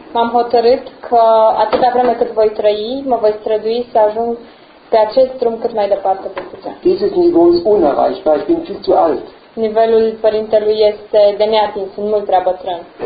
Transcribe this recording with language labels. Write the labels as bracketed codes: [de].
[ro] M-am hotărât că atâta vreme cât voi trăi, mă voi strădui să ajung pe acest drum cât mai departe pe putea. [de] Dieses Niveau ist unerreichbar, ich bin viel zu alt. [ro] nivelul părintelui este de neatins, sunt mult prea bătrân.